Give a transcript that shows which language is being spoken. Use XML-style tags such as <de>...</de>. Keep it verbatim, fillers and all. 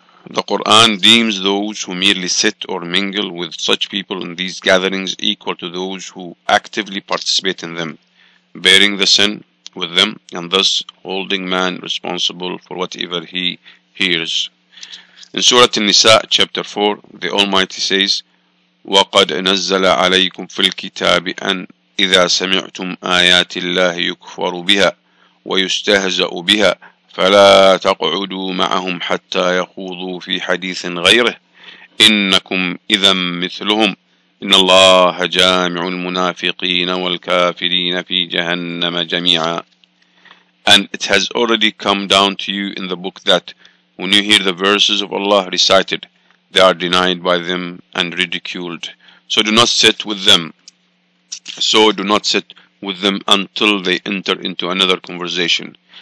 <en>The Quran deems those who merely sit or mingle with such people in these gatherings equal to those who actively participate in them, bearing the sin with them and thus holding man responsible for whatever he hears. In Surah An-Nisa, chapter four, the Almighty says,</en> <ar>وَقَدْ نَزَّلَ عَلَيْكُمْ فِي الْكِتَابِ أَنْ إِذَا سَمِعْتُمْ آيَاتِ اللَّهِ يُكْفَرُ بِهَا وَيُسْتَهْزَأُ بِهَا فلا تقعدوا معهم حتى يخوضوا في حديث غيره إنكم إذا مثلهم إن الله جامع المنافقين والكافرين في جهنم جميعا.</ar> <en>And it has already come down to you in the book that when you hear the verses of Allah recited, they are denied by them and ridiculed. So do not sit with them. So do not sit with them until they enter into another conversation.</en>